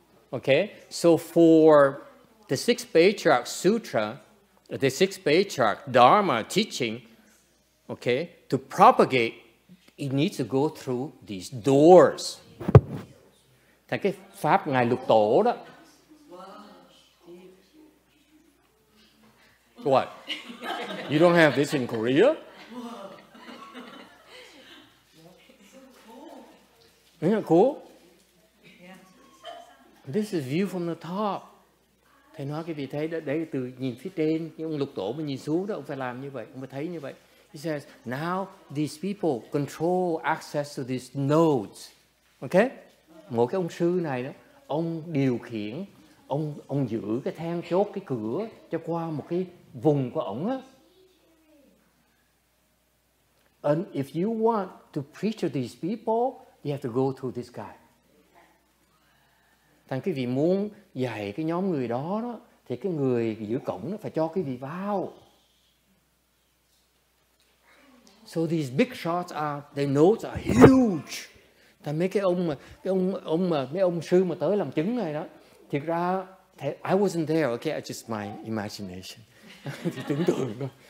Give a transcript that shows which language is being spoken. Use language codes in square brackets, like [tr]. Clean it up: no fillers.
[en] Okay, so for the 6th Patriarch Sutra, the 6th Patriarch Dharma teaching, okay, to propagate, it needs to go through these doors. [vi] Thành cái pháp ngài lục tổ đó. [en] What? You don't have this in Korea? Isn't that cool? This is view from the top. [vi] Thầy nói cái vị thấy đó, đấy từ nhìn phía trên, nhưng ông lục tổ mà nhìn xuống đó, ông phải làm như vậy, ông phải thấy như vậy. [en] He says, now these people control access to these nodes. Okay? [vi] Mỗi cái ông sư này đó, ông điều khiển, ông giữ cái then chốt, cái cửa cho qua một cái vùng của ông á. [en] And if you want to preach to these people, you have to go through this guy. [vi] Thành cái vị muốn dạy cái nhóm người đó đó, thì cái người giữ cổng nó phải cho cái vị vào. [en] So these big shots are, the notes are huge. [vi] Thành mấy cái ông mà, mấy ông sư mà tới làm chứng này đó, thiệt ra, [en] I wasn't there, okay, it's just my imagination. [vi] Thì tưởng tượng đó.